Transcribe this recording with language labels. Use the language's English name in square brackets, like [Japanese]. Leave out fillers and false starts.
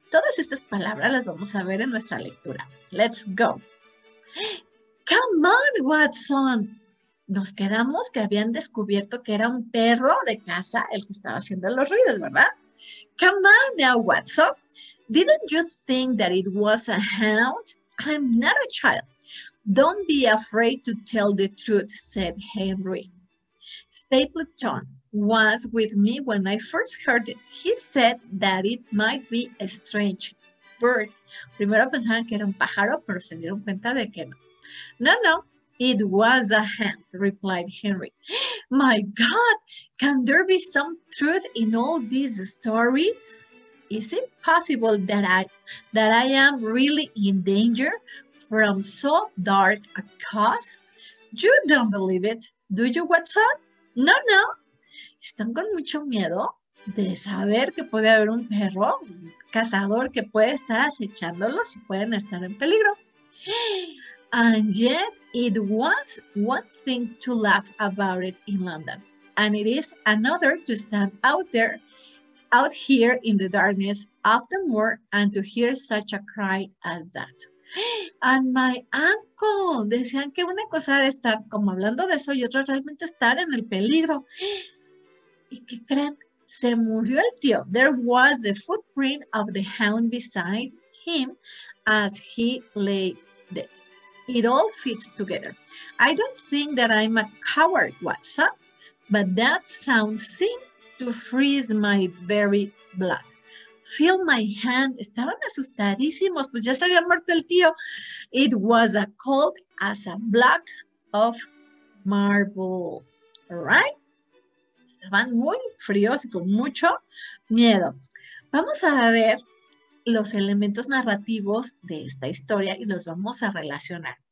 [Spanish] Todas estas palabras las vamos a ver en nuestra lectura. [English] Let's go. Come on, Watson. [Spanish] Nos quedamos que habían descubierto que era un perro de caza el que estaba haciendo los ruidos, ¿verdad? [English] Come on now, Watson. Didn't you think that it was a hound? I'm not a child. Don't be afraid to tell the truth, said Henry. Stapleton was with me when I first heard it. He said that it might be a strange bird. [Spanish] Primero pensaban que era un pájaro, pero se dieron cuenta de que no. [English] No, no, it was a hound, replied Henry. My God, can there be some truth in all these stories? Is it possible that I am really in danger from so dark a cause? You don't believe it, do you, Watson? No, no. [Spanish] Están con mucho miedo de saber que puede haber un perro, un cazador que puede estar acechándolos y pueden estar en peligro. [English] And yet, it was one thing to laugh about it in London. And it is another to stand out there, out here in the darkness of the moor and to hear such a cry as that. And my uncle, [Spanish] decían que una cosa era estar como hablando de eso y otra realmente estar en el peligro. ¿Y qué creen? Se murió el tío. [English] There was a footprint of the hound beside him as he lay dead. It all fits together. I don't think that I'm a coward, Watson, but that sound seemed to freeze my very blood. Feel my hand. [Spanish] Estaban asustadísimos, pues ya se había muerto el tío. [English] It was a cold as a block of marble. All right? [Spanish] Estaban muy fríos y con mucho miedo. Vamos a ver los elementos narrativos de esta historia y los vamos a relacionar.